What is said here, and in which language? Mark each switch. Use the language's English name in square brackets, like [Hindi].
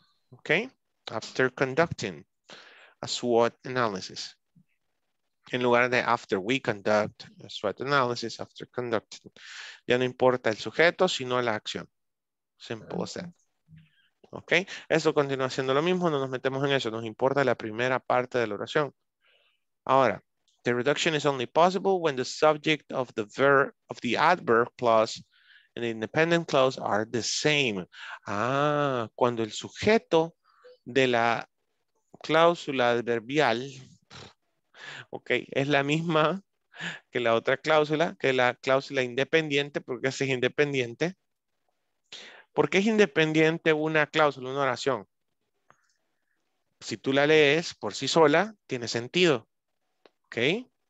[English] Ok. After conducting a SWOT analysis. [Spanish] En lugar de [English] after we conduct a SWOT analysis, after conducting. [Spanish] Ya no importa el sujeto, sino la acción. [English] Simple as that. [Spanish] Ok. Eso continúa siendo lo mismo. No nos metemos en eso. Nos importa la primera parte de la oración. [English] Ahora, the reduction is only possible when the subject of the verb, of the adverb clause and the independent clause are the same. [Spanish] Ah, cuando el sujeto de la cláusula adverbial, ok, es la misma que la otra cláusula, que la cláusula independiente, porque es independiente. ¿Por qué es independiente una cláusula, una oración? Si tú la lees por sí sola, tiene sentido. Okay.